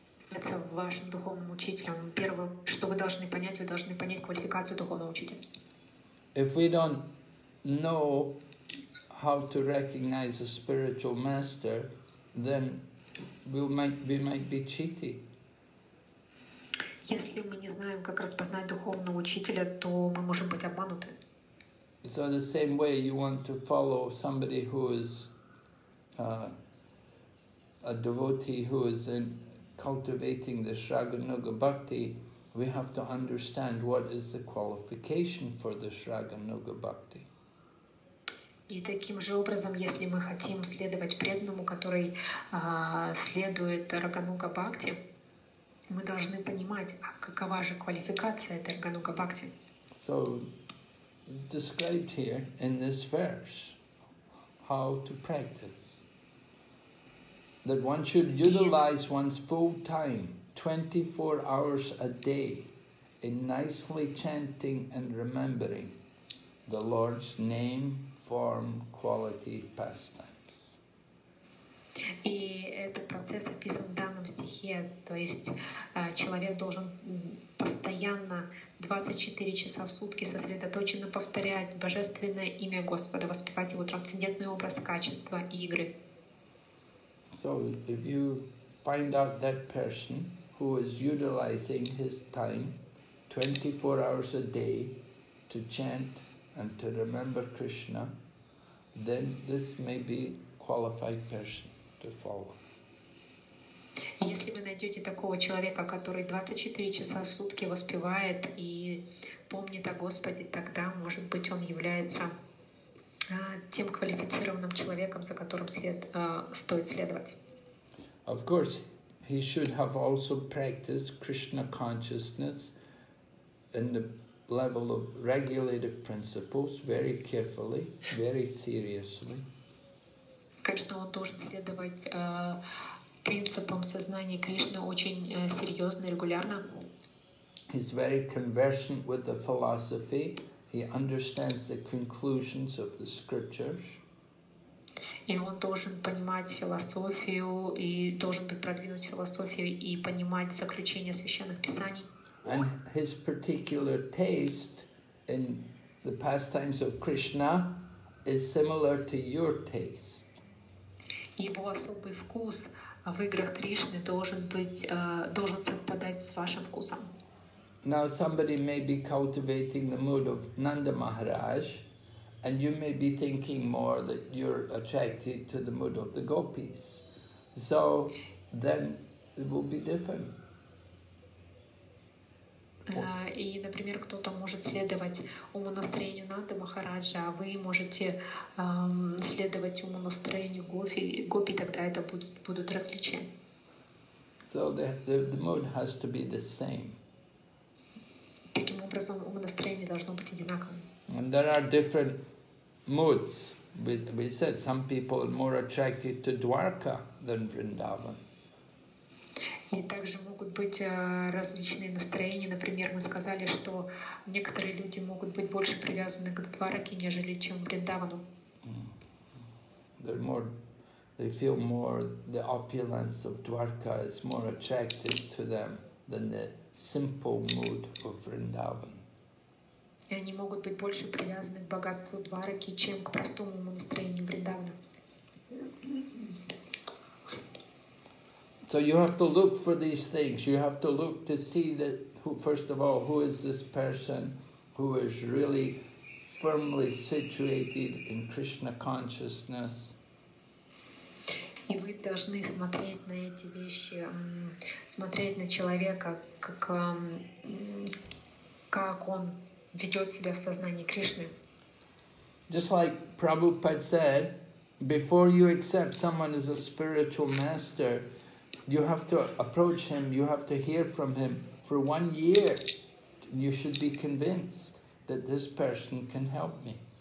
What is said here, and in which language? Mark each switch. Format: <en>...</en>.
<ru>является вашим духовным учителем. Первое, что вы должны понять квалификацию духовного учителя.</ru> <en>If we don't know how to recognize a spiritual master, then we might be cheated.</en> <ru>Если мы не знаем, как распознать духовного учителя, то мы можем быть обмануты.</ru> <en>So the same way you want to follow somebody who is a devotee who is in cultivating the Shraganuga Bhakti, we have to understand what is the qualification for the Shraganuga Bhakti.</en> <ru>И таким же образом, если мы хотим следовать преданному, который следует Рагануга Бхакти, мы должны понимать, а какова же квалификация этой Рагануга Бхакти.</ru> <en>So, described here in this verse, how to practice. That one should utilize one's full time, 24 hours a day, in nicely chanting and remembering the Lord's name, form, quality, pastimes.</en> <ru>И этот процесс описан в данном стихе, то есть человек должен постоянно 24 часа в сутки сосредоточенно повторять божественное имя Господа, воспевать его трансцендентный образ, качества, игры.</ru> <en>So if you find out that person who is utilizing his time 24 hours a day to chant and to remember Krishna, then this may be qualified person to follow.</en> <ru>Если вы найдете такого человека, который 24 часа в сутки воспевает и помнит о Господе, тогда, может быть, он является тем квалифицированным человеком, за которым стоит следовать.</ru> <en>Of course, he should have also practiced Krishna consciousness in the level of regulative principles very carefully, very seriously.</en> <ru>Конечно, он должен следовать принципом сознания Кришны очень серьезно и регулярно.</ru> <en>He's very conversant with the philosophy. He understands the conclusions of the scriptures.</en> <ru>И он должен понимать философию и должен быть продвинуть философию и понимать заключения священных писаний.</ru> <en>And his particular taste in the pastimes of Krishna is similar to your taste.</en> <ru>Его особый вкус в играх Кришны должен совпадать с вашим вкусом.</ru> <en>Now somebody may be cultivating the mood of Nanda Maharaj, and you may be thinking more that you're attracted to the mood of the gopis. So then it will be different.</en> <ru>И, например, кто-то может следовать уму настроению Нанды Махараджа, а вы можете следовать уму настроению гопи, тогда это будут различия.</ru> <en>So the mood has to be the same.</en> <ru>Таким образом, уму настроение должно быть одинаковым.</ru> <en>And there are different moods. We said some people are more attracted to Dwarka than Vrindavan.</en> <ru>И также могут быть различные настроения. Например, мы сказали, что некоторые люди могут быть больше привязаны к Двараке, нежели чем к Вриндавану.</ru> <en>They feel more the opulence of Dwarka is more attractive to them than the simple mood of Vrindavan.</en> <ru>И они могут быть больше привязаны к богатству Двараки, чем к простому настроению Вриндавана.</ru> <en>So you have to look for these things. You have to look to see that, first of all, who is this person who is really firmly situated in Krishna consciousness.</en> <ru>И вы должны смотреть на эти вещи, смотреть на человека, как он ведет себя в сознании Кришны.</ru> <en>Just like Prabhupada said, before you accept someone as a spiritual master, you have to approach him, you have to hear from him for 1 year. You should be convinced that this person can help me.</en>